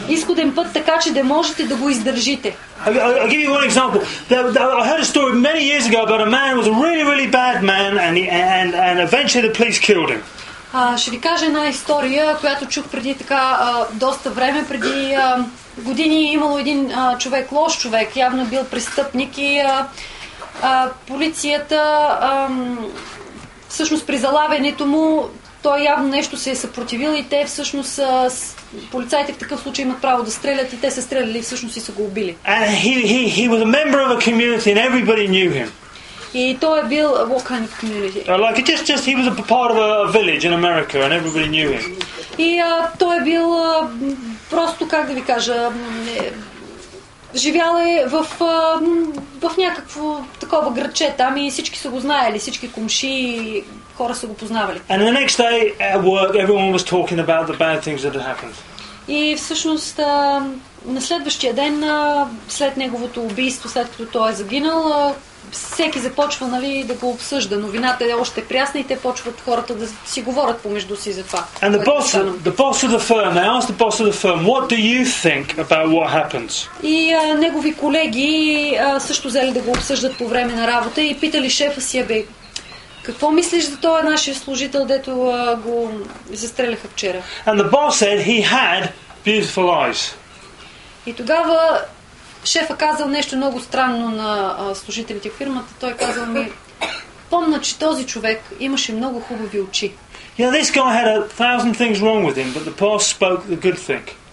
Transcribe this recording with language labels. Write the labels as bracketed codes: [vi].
[bg] Изходен път, така че да можете да го издържите. [en] I'll give you one example. I heard a story many years ago about a man who was a really, really bad man and eventually the police killed him. [bg] Ще ви кажа една история, която чух преди така доста време, преди години имало един човек, лош човек, явно бил престъпник и полицията всъщност при залавянето му той явно нещо се е съпротивил и те всъщност полицаите в такъв случай имат право да стрелят и те са стреляли всъщност и са го убили. [en] He was a member of a community and everybody knew him. [bg] И той е бил [en] what kind of community? Like just he was a part of a village in America and everybody knew him. [bg] И той е бил просто как да ви кажа живял е в някакво такова градче там и всички са го знаели, всички комши и хора са го познавали. [en] And the next day at work everyone was talking about the bad things that had happened. [bg] И всъщност на следващия ден след неговото убийство, след като той е загинал, всеки започва, нали, да го обсъжда. Новината е още прясна и те почват хората да си говорят помежду си за това. [en] And the boss of the firm, what do you think about what happens? [bg] И негови колеги също взели да го обсъждат по време на работа и питали шефа си, абе, какво мислиш за този нашия служител, дето го застреляха вчера? [en] And the boss said he had beautiful eyes. [bg] И тогава шефът казал нещо много странно на служителите в фирмата. Той казал ми, помна, че този човек имаше много хубави очи. [en] Yeah, this guy had a thousand things wrong with him, but the boss spoke the good thing.